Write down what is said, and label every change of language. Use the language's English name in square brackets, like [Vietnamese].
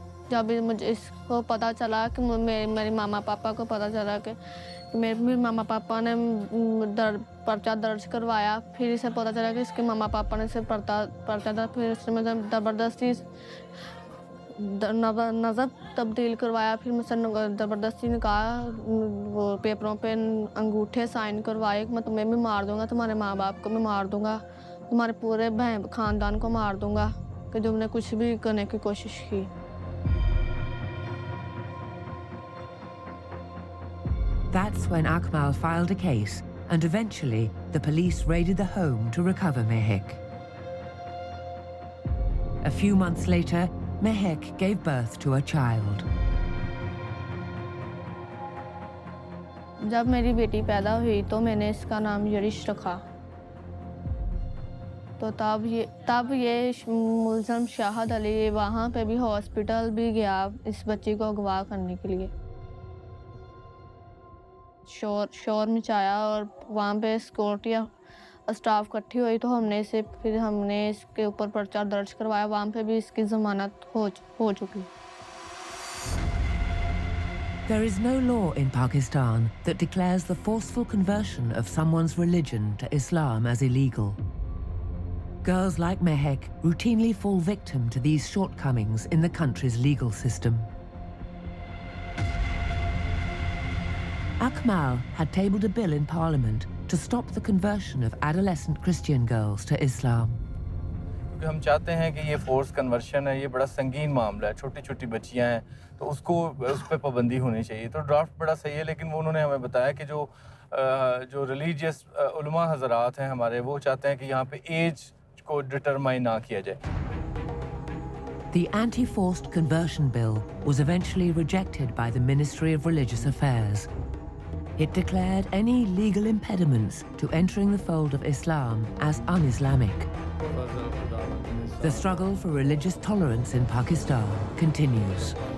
[Urdu] جب مجھے اس کو پتہ چلا کہ میرے ماما پاپا کو پتہ چلا کہ میرے ماما پاپا نے پرچہ درج کروایا, پھر اسے پتہ چلا کہ اس کے ماما پاپا نے اسے پرچہ درج, پھر اس نے زبردستی نظر تبدیل کروایا, پھر مجھ سے زبردستی نکاح وہ پیپروں پہ انگوٹھے سائن کروائے کہ میں تمہیں بھی مار دوں گا, تمہارے ماں باپ کو میں مار دوں گا, تمہارے پورے بہن خاندان کو مار دوں گا کہ تم نے کچھ بھی کرنے کی کوشش کی. [English] That's when Akmal filed a case and eventually the police raided the home to recover Mehek. A few months later, Mehek gave birth to a child. [Urdu] جب میری بیٹی پیدا ہوئی تو میں نے اس کا نام یریش رکھا. تو تب یہ ملزم شاہد علی وہاں پہ بھی ہاسپٹل بھی گیا اس بچی کو اغوا کرنے کے لیے. شور مچایا اور وہاں پہ سیکورٹی اسٹاف اکٹھی ہوئی تو ہم نے اس کے اوپر پرچہ درج کروایا, وہاں پہ بھی اس کی ضمانت ہو چکی. [English] There is no law in Pakistan that declares the forceful conversion of someone's religion to Islam as illegal. Girls like Mehek routinely fall victim to these shortcomings in the country's legal system. Akmal had tabled a bill in parliament to stop the conversion of adolescent Christian girls to Islam. [Urdu] کیونکہ ہم چاہتے ہیں کہ یہ force conversion ہے, یہ بڑا سنگین معاملہ ہے, چھوٹی چھوٹی بچیاں ہیں تو اس کو اس پہ پابندی ہونی چاہیے. تو ڈرافٹ بڑا صحیح ہے, لیکن وہ انہوں نے ہمیں بتایا کہ جو ریلیجیس علماء حضرات ہیں ہمارے, وہ چاہتے ہیں کہ یہاں پہ ایج کو ڈٹرمائن نہ کیا جائے. [English] The anti-forced conversion bill was eventually rejected by the Ministry of Religious Affairs. It declared any legal impediments to entering the fold of Islam as un-Islamic. The struggle for religious tolerance in Pakistan continues.